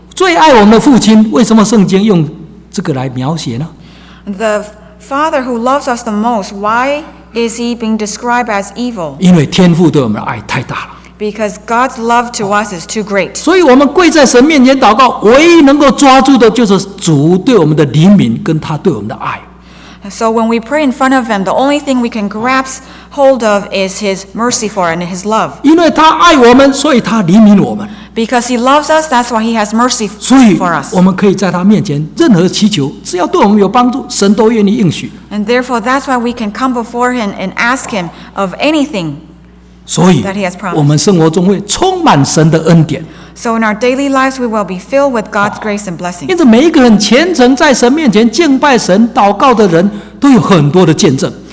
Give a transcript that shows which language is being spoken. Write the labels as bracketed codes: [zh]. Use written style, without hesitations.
[zh] 最爱我们的父亲，为什么圣经用这个来描写呢？ [en] The father who loves us the most, why is he being described as evil? [zh] 因为天父对我们的爱太大了。 [en] Because God's love to us is too great. [zh] 所以我们跪在神面前祷告，唯一能够抓住的就是主对我们的怜悯跟他对我们的爱。 [en] So when we pray in front of him, the only thing we can grasp hold of is his mercy for and his love. [zh] 因为他爱我们，所以他怜悯我们。 [en] Because he loves us, that's why he has mercy for us. [zh] 所以我们可以在他面前任何祈求，只要对我们有帮助，神都愿意应许。 [en] And therefore, that's why we can come before him and ask him of anything that he has promised. [zh] 所以我们生活中会充满神的恩典。 [en] So in our daily lives, we will be filled with God's grace and blessings. [zh] 因此每一个很虔诚在神面前敬拜神祷告的人都有很多的见证。